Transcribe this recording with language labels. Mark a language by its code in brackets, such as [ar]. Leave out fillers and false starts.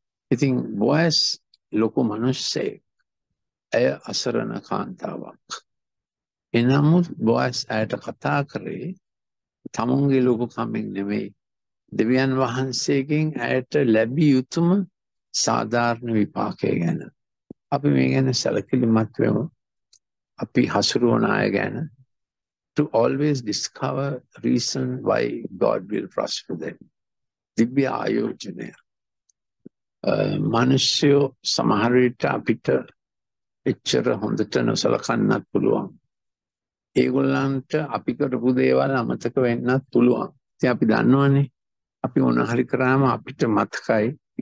[si] ඉතින් බොයස් ලොකු මනුස්සේ, ඇය අසරණ කාන්තාවක්. එනමුත් බොයස් ඇයට කතා කරේ තමුන්ගේ ලොකුකමින් නෙවෙයි, දෙවියන් වහන්සේගෙන් ඇයට ලැබිය යුතුම සාධාරණ විපාකය ගැන. අපි මේ ගැන සැලකිලිමත් වෙමු. අපි හසුරුවන අය ගැන [en] to always discover reason why God will prosper them. [si] දිව්‍ය ආයෝජනය. මිනිස්සු සමහර විට අපිට එච්චර හොඳට නොසලකන්නත් පුළුවන්. ඒගොල්ලන්ට අපි කරපු දේවල් අමතක වෙන්නත් පුළුවන්. ඉතින් අපි දන්නවනේ අපි මොන හරි කරාම අපිට මතකයි.